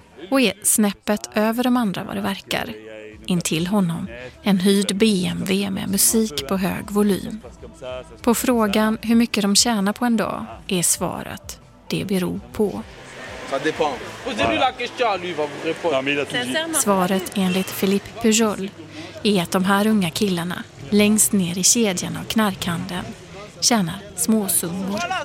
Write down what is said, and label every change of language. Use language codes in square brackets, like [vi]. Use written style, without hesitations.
[sv] Och är snäppet över de andra vad det verkar. In till honom en hyrd BMW med musik på hög volym. På frågan hur mycket de tjänar på en dag är svaret. Det beror på. [fr] Ça dépend. Posez-lui la question, lui va vous répondre. [sv] Svaret enligt Philippe Pujol är att de här unga killarna längst ner i kedjan av knarkhandeln tjänar små summor.